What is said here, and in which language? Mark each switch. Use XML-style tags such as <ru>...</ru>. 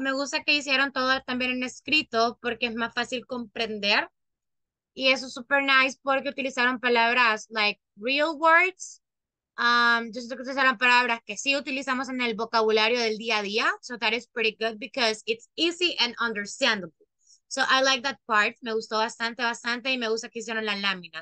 <es>Me gusta que hicieron todo también en escrito porque es más fácil comprender. Y eso es súper nice porque utilizaron palabras</es> <en>like real words.</en> <es>Yo siento que utilizaron palabras que sí utilizamos en el vocabulario del día a día.</es> <en>So that is pretty good because it's easy and understandable. So I like that part.</en> <es>Me gustó bastante, bastante. Y me gusta que hicieron la lámina.</es>